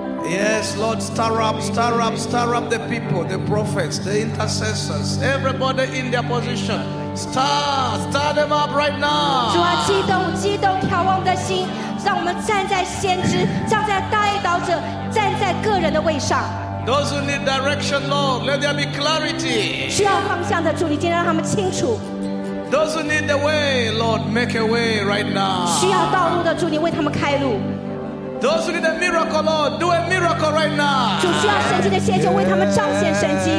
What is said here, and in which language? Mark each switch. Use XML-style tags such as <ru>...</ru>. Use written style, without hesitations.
<en>Yes, Lord, stir up, stir up, stir up the people, the prophets, the intercessors, everybody in their position. Stir them up right now.</en> <zh>主啊，激动，激动，眺望的心，让我们站在先知，站在代祷者，站在个人的位上。</zh> <en>Those who need direction, Lord, let there be clarity.</en> <zh>需要方向的主，你今天让他们清楚。</zh> <en>Those who need the way, Lord, make a way right now.</en> <zh>需要道路的主，你为他们开路。</zh> <en>Those who need a miracle, Lord, do a miracle right now.</en> <zh>主需要神迹的先知，为他们彰显神迹。</zh>